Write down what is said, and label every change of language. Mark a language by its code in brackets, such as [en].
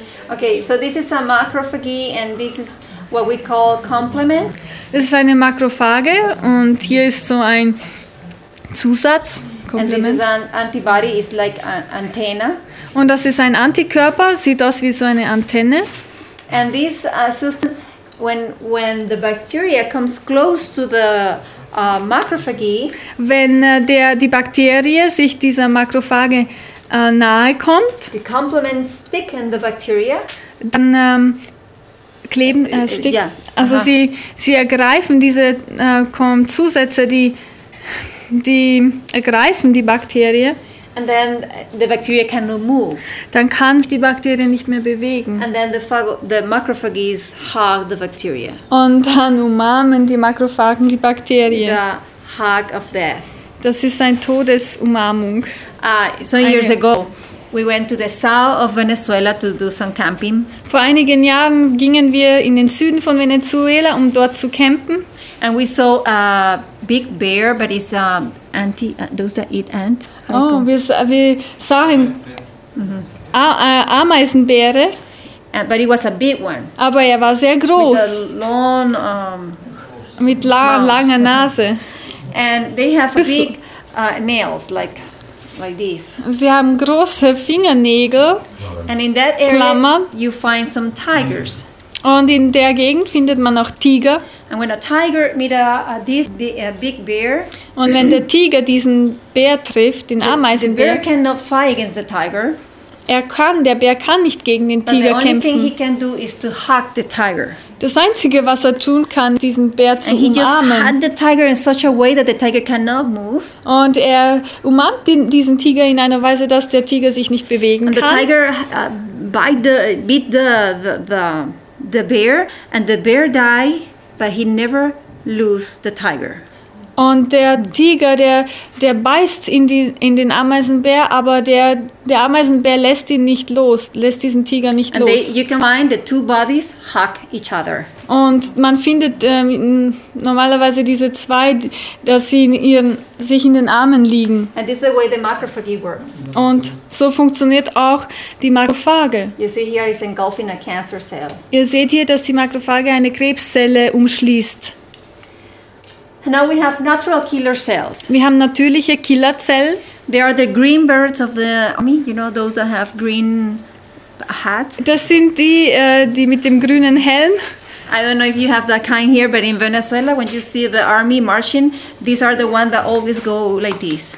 [en] Okay, so this is a macrophagy and this is what we call complement. [de] Das ist eine Makrophage und hier ist so ein Zusatz. [en] Complement. And this is an antibody, it's like an antenna. [de] Und das ist ein Antikörper, sieht aus wie so eine Antenne. [en] And this system, when the bacteria comes close to the macrophage, [de] wenn die Bakterie sich dieser Makrophage nahe kommt, [en] the complement stick in the bacteria, [de] dann kleben stick, yeah. Also sie ergreifen diese Zusätze, die ergreifen die Bakterie. [en] And then the bacteria cannot move. [de] Dann kann die Bakterien nicht mehr bewegen. [en] And then the macrophages hug the bacteria. [de] Und dann umarmen die Makrophagen die Bakterien. [en] It's a hug of death. [de] Das ist ein Todesumarmung. [en] Years ago, we went to the south of Venezuela to do some camping. [de] Vor einigen Jahren gingen wir in den Süden von Venezuela, um dort zu campen. [en] And we saw a big bear, but it's a ant. Those that eat ant. [de] Oh, wir sahen Ameisenbeere. [en] But it was a big one. [de] Aber er war sehr groß. [en] With a long, [de] mit langer Nase. [en] And they have big nails, like this. [de] Sie haben große Fingernägel. [en] And in that area, [de] Klammern. [en] You find some tigers. [de] Und in der Gegend findet man auch Tiger. [en] And when a tiger meet a big bear, [de] und wenn der Tiger diesen Bär trifft, den Ameisenbär, [en] the bear cannot fight against the tiger. [de] Der Bär kann nicht gegen den Tiger kämpfen. [en] But the only thing he can do is to hug the tiger. [de] Das Einzige, was er tun kann, diesen Bär zu umarmen. [en] And he just hugged the tiger in such a way that the tiger cannot move. [de] Und er umarmt diesen Tiger in einer Weise, dass der Tiger sich nicht bewegen kann. [en] And the tiger beat the bear, and the bear die, but he never lose the tiger. [de] Und der Tiger, der beißt in den Ameisenbär, aber der Ameisenbär lässt ihn nicht los, lässt diesen Tiger nicht [en] and [de] los. [en] And you can find the two bodies hug each other. [de] Und man findet normalerweise diese zwei, dass sie sich in den Armen liegen. [en] And this is the way the macrophage works. [de] Und so funktioniert auch die Makrophage. [en] You see here it's engulfing a cancer cell. [de] Ihr seht hier, dass die Makrophage eine Krebszelle umschließt. [en] Now we have natural killer cells. [de] Wir haben natürliche Killerzellen. [en] They are the green birds of the army. You know those that have green hat. [de] Das sind die mit dem grünen Helm. [en] I don't know if you have that kind here, but in Venezuela, when you see the army marching, these are the ones that always go like this.